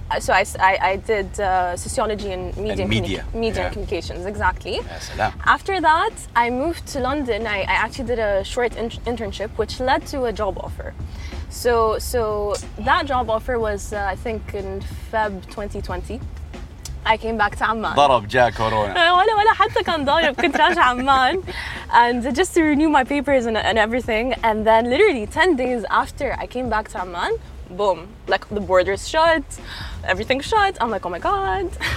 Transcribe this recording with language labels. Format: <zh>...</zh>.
<en>So I did sociology and media. And media. Media and communications, exactly. Yes, yeah, so after that, I moved to London. I actually did a short internship, which led to a job offer. So that job offer was, I think, in Feb 2020. I came back to Amman.</en> <ar>ضرب جاء كورونا. ولا حتى كان ضارب, كنت راجع عمان.</ar> <en>And just to renew my papers and everything. And then literally 10 days after I came back to Amman, boom, like the borders shut, everything shut. I'm like, oh my God.</en>